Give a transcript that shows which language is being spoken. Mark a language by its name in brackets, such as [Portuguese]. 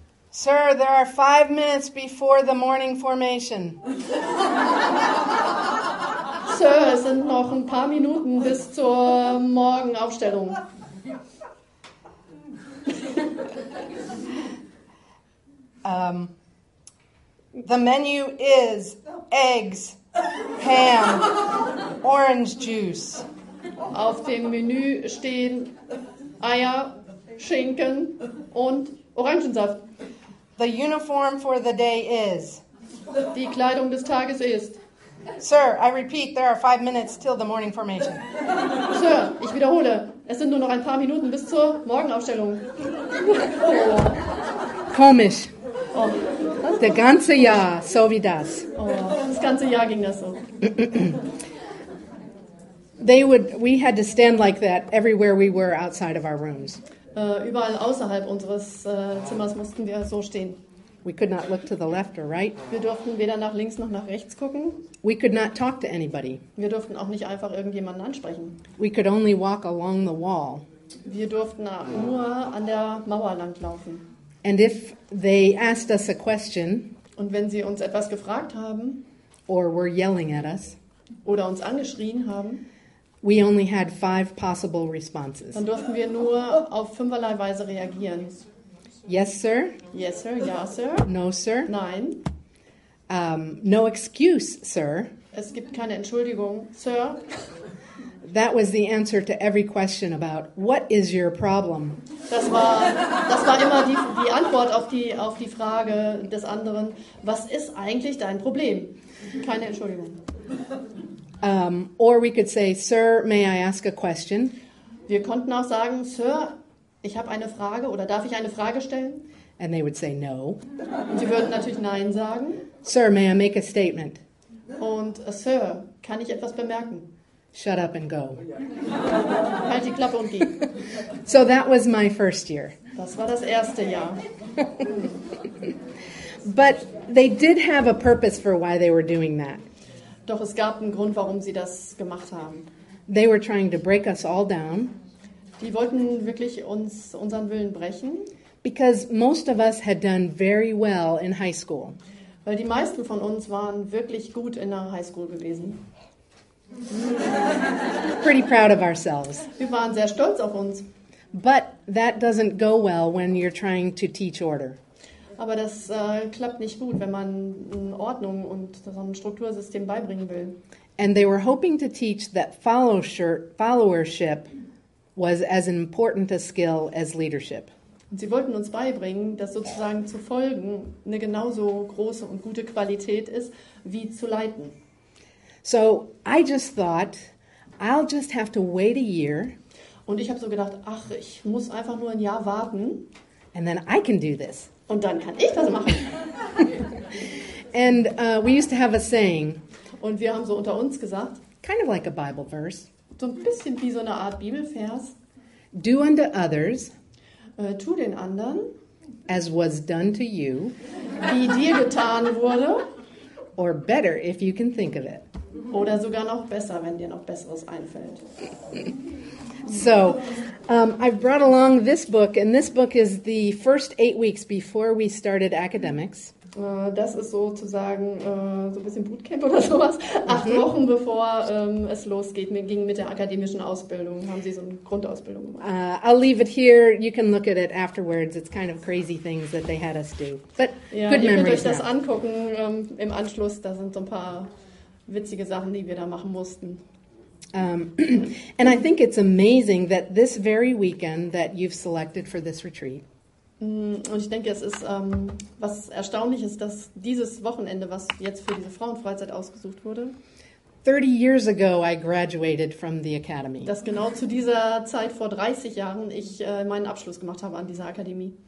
[English] Sir, there are 5 minutes before the morning formation. [German] Sir, es sind noch ein paar Minuten bis zur Morgenaufstellung. [English] The menu is eggs, ham, orange juice. [German] Auf dem Menü stehen Eier, Schinken und Orangensaft. [English] The uniform for the day is. [German] Die Kleidung des Tages ist. [English] Sir, I repeat, there are 5 minutes till the morning formation. [German] Sir, ich wiederhole, es sind nur noch ein paar Minuten bis zur Morgenaufstellung. Oh. Komisch. Oh. Das ganze Jahr, so wie das. Oh, das ganze Jahr ging das so. [English] We had to stand like that everywhere we were outside of our rooms. [German] Überall außerhalb unseres Zimmers mussten wir so stehen. [English] We could not look to the left or right. [German] Wir durften weder nach links noch nach rechts gucken. [English] We could not talk to anybody. [German] Wir durften auch nicht einfach irgendjemanden ansprechen. [English] We could only walk along the wall. [German] Wir durften nur an der Mauer langlaufen. [English] And if they asked us a question, [German] und wenn sie uns etwas gefragt haben, [English] or were yelling at us, [German] oder uns angeschrien haben, [English] we only had 5 possible responses. [German] Dann durften wir nur auf fünferlei Weise reagieren. [English] Yes, sir. Yes, sir. [German] Ja, sir. [English] No, sir. [German] Nein. [English] No excuse, sir. [German] Es gibt keine Entschuldigung, sir. [English] That was the answer to every question about what is your problem. [German] Das war immer die Antwort auf die Frage des anderen. Was ist eigentlich dein Problem? Keine Entschuldigung. [English] Or we could say, sir, may I ask a question? [German] Wir konnten auch sagen, sir, ich habe eine Frage oder darf ich eine Frage stellen? [English] And they would say no. [German] Und sie würden natürlich nein sagen. [English] Sir, may I make a statement? [German] Und sir, kann ich etwas bemerken? [English] Shut up and go. [German] Halt die Klappe und geh. [English] So that was my first year. [German] Das war das erste Jahr. [English] But they did have a purpose for why they were doing that. [German] Doch es gab einen Grund, warum sie das gemacht haben. [English] They were trying to break us all down. [German] Die wollten wirklich unseren Willen brechen. [English] Because most of us had done very well in high school. [German] Weil die meisten von uns waren wirklich gut in der High School gewesen. [English] Pretty proud of ourselves. [German] Wir waren sehr stolz auf uns. [English] But that doesn't go well when you're trying to teach order. [German] Aber das klappt nicht gut, wenn man Ordnung und so ein Struktursystem beibringen will. [English] And they were hoping to teach that followership was as important a skill as leadership. [German] Und sie wollten uns beibringen, dass sozusagen zu folgen eine genauso große und gute Qualität ist wie zu leiten. [English] So I just thought, I'll just have to wait a year. [German] Und ich habe so gedacht, ach, ich muss einfach nur ein Jahr warten. [English] And then I can do this. [German] Und dann kann ich das machen. [English] And we used to have a saying. [German] Und wir haben so unter uns gesagt. [English] Kind of like a Bible verse. [German] So ein bisschen wie so eine Art Bibelvers. [English] Do unto others. [German] Tu den anderen. [English] As was done to you. [German] Wie dir getan wurde. [English] Or better if you can think of it. [German] Oder sogar noch besser, wenn dir noch Besseres einfällt. [English] So, I've brought along this book, and this book is the first 8 weeks before we started academics. [German] Das ist sozusagen so ein bisschen Bootcamp oder sowas. 8 Wochen bevor es losgeht, ging mit der akademischen Ausbildung, haben sie so eine Grundausbildung gemacht. [English] I'll leave it here. You can look at it afterwards. It's kind of crazy things that they had us do. But [German] ja, [English] good memories. [German] Ihr könnt euch das angucken im Anschluss. Da sind so ein paar witzige Sachen, die wir da machen mussten. [English] And I think it's amazing that this very weekend that you've selected for this retreat. [German] Und ich denke, es ist was Erstaunliches, dass dieses Wochenende, was jetzt für diese Frauenfreizeit ausgesucht wurde. [English] 30 years ago, I graduated from the academy. [German] Dass genau zu dieser Zeit vor 30 Jahren ich meinen Abschluss gemacht habe an dieser Akademie.